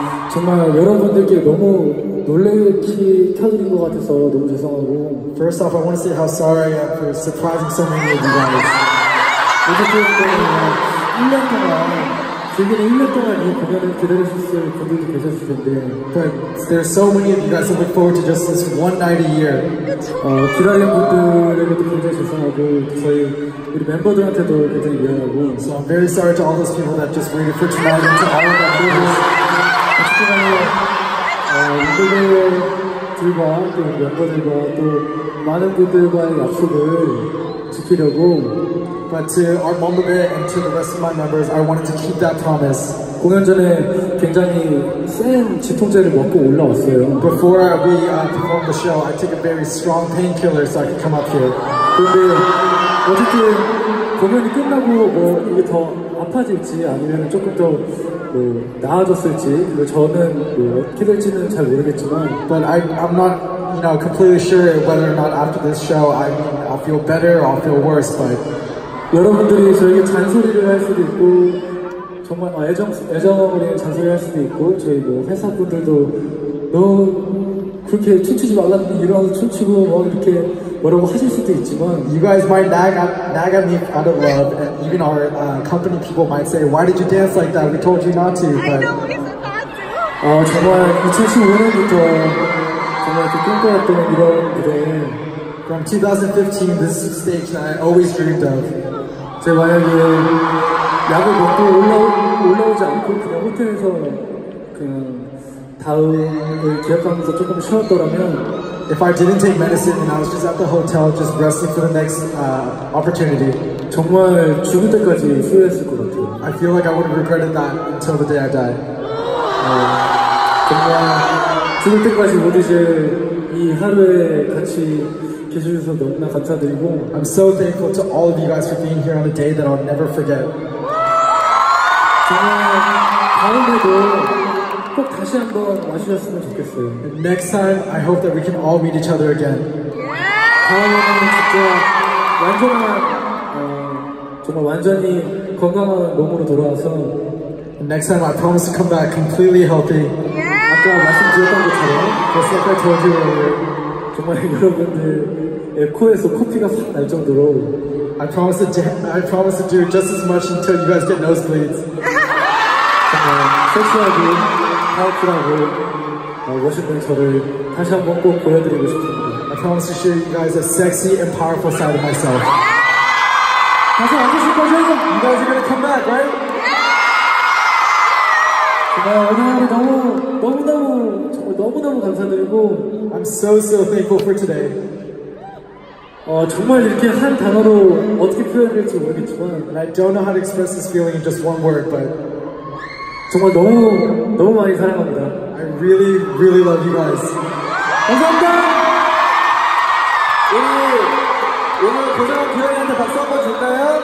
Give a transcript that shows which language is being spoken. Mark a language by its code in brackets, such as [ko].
[ko] 정말 여러분들께 너무 놀래키타드린 것 같아서 너무 죄송하고. [en] First off, I want to say how sorry I am for surprising so many of you guys. [ko] 1년 동안, 즐기는 1년 동안 이 공연을 기다려주실 분들도 계셨을 텐데. [en] But there's so many of you guys who look forward to just this one night a year. [ko] 기다리는 분들에게도 굉장히 죄송하고, 저희 우리 멤버들한테도 굉장히 미안하고. [en] So I'm very sorry to all those people that just waited for tonight and to all of our viewers. [ko] 이분들과 또 멤버들과 또 많은 분들과의 약속을 지키려고. [en] But to our Mamba Bear and to the rest of my members, I wanted to keep that promise. [ko] 공연 전에 굉장히 센 진통제를 먹고 올라왔어요. [en] Before we performed the show, I took a very strong painkiller so I could come up here. [ko] 근데 어쨌든 공연이 끝나고 뭐 이게 더 아파질지 아니면 조금 더 나아졌을지 저는 기댈지는 잘 모르겠지만. [en] But I'm not, you know, completely sure whether or not after this show I'll feel better or I'll feel worse. But [ko] 여러분들이 저에게 잔소리를 할 수도 있고 정말 애정어린 잔소리를 할 수도 있고 저희 회사 분들도 너무 그렇게 춤추지 말라는 이런 춤추고 이렇게 뭐라고 하실 수도 있지만. [en] You guys might nag at me out of love, and even our company people might say, why did you dance like that? We told you not to. But [ko] 정말 2015년부터 정말 그 꿈꿔왔던 이런 무대에 [en] from 2015, this stage that I always dreamed of. [ko] 제 만약에 약을 먹고 올라오지 않고 그냥 호텔에서 그냥 다음을 기억하면서 조금 쉬었더라면. [en] If I didn't take medicine and I was just at the hotel just resting for the next opportunity, [ko] 정말 죽을 때까지 후회했을 것 같아요. [en] I feel like I would have regretted that until the day I died. [ko] 정말 죽을 때까지 모두들 이 하루에 같이 계셔주셔서 너무나 감사드리고. [en] I'm so thankful to all of you guys for being here on a day that I'll never forget. [ko] 정말 다음에도 꼭 다시 한번 와주셨으면 좋겠어요. [en] And next time, I hope that we can all meet each other again. [ko] 다음에는 진짜 완전한 정말 완전히 건강한 몸으로 돌아와서. [en] And next time, I promise to come back completely healthy. [ko] 아까 말씀드렸던 것처럼 벌써 아까 저한테 정말 여러분들의 코에서 코피가 싹 날 정도로. [en] I promise to do just as much until you guys get nosebleeds. [ko] 섹시하게 파워풀하고 멋있는 저를 다시 한번 꼭 보여드리고 싶습니다. [en] I promise to show you guys a sexy and powerful side of myself. [ko] 다시 와주실 거죠? [en] You guys are gonna come back, right? [ko] 정말 오늘 너무 너무너무 정말 너무너무 감사드리고. [en] I'm so thankful for today. [ko] 정말 이렇게 한 단어로 어떻게 표현할지 모르겠지만. [en] And I don't know how to express this feeling in just one word, but [ko] 정말 너무 너무 많이 사랑합니다. [en] I really really love you guys. [ko] 감사합니다. 오늘 고정한 기현이한테 박수 한번 줄까요?